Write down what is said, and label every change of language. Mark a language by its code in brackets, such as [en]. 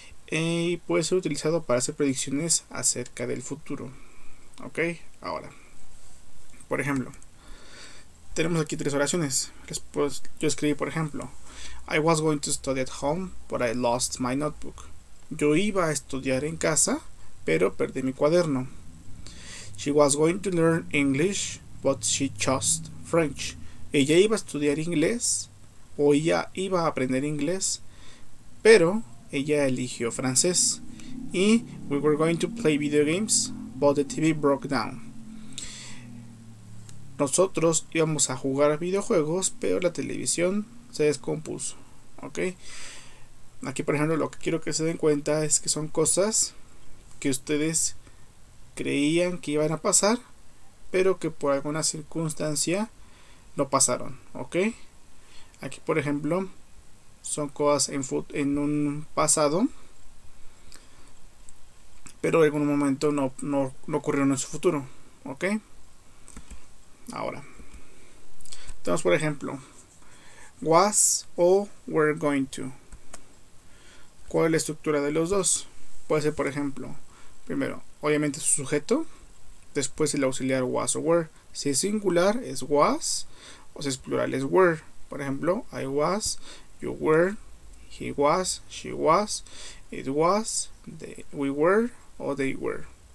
[es] Y puede ser utilizado para hacer predicciones acerca del futuro, ¿ok? Ahora, por ejemplo, tenemos aquí tres oraciones. Después, yo escribí, por ejemplo, [en] I was going to study at home, but I lost my notebook. [es] Yo iba a estudiar en casa, pero perdí mi cuaderno. [en] She was going to learn English, but she chose French. [es] Ella iba a estudiar inglés o ella iba a aprender inglés, pero ella eligió francés. [en] Y we were going to play video games, but the TV broke down. [es] Nosotros íbamos a jugar videojuegos, pero la televisión se descompuso. ¿Ok? Aquí, por ejemplo, lo que quiero que se den cuenta es que son cosas que ustedes creían que iban a pasar, pero que por alguna circunstancia no pasaron, ¿ok? Aquí, por ejemplo, son cosas en un pasado, pero en algún momento no ocurrieron en su futuro, ¿ok? Ahora, tenemos, por ejemplo, was o were going to. ¿Cuál es la estructura de los dos? Puede ser, por ejemplo, primero, obviamente su sujeto, después el auxiliar was o were. Si es singular es was, o si es plural es were. Por ejemplo, [en] I was, you were, he was, she was, it was, we were o they were.